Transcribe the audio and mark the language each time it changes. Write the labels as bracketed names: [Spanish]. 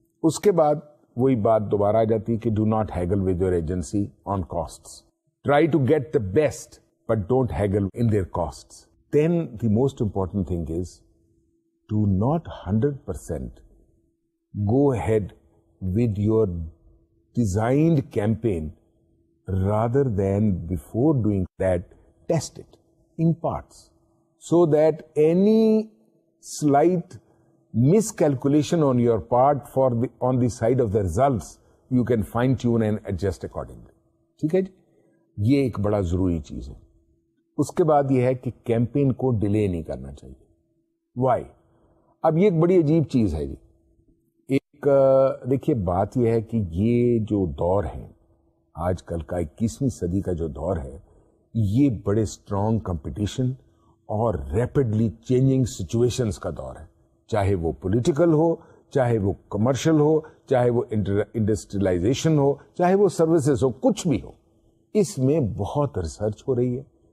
[Urdu] اس کے بعد وہی بات دوبارہ آ جاتی ہے کہ [English] Do not haggle with your agency on costs. Try to get the best, but don't haggle in their costs. Then the most important thing is, do not 100% go ahead with your designed campaign, rather than before doing that, test it in parts, so that any slight miscalculation on your part for the, on the side of the results, you can fine-tune and adjust accordingly. [Urdu] ٹھیک ہے جی, یہ ایک بڑا ضروری چیز ہے. اس کے بعد یہ ہے کہ کیمپین کو ڈیلے نہیں کرنا چاہیے. وائی؟ اب یہ ایک بڑی عجیب چیز ہے جی. ایک دیکھیے بات یہ ہے کہ یہ جو دور ہے آج کل کا, 21ویں صدی کا جو دور ہے, یہ بڑے اسٹرانگ کمپٹیشن اور ریپڈلی چینجنگ سچویشنز کا دور ہے, چاہے وہ پولیٹیکل ہو, چاہے وہ کمرشل ہو, چاہے وہ انڈسٹریلائزیشن ہو, چاہے وہ سروسز ہو, کچھ بھی ہو, اس میں بہت ریسرچ ہو رہی ہے.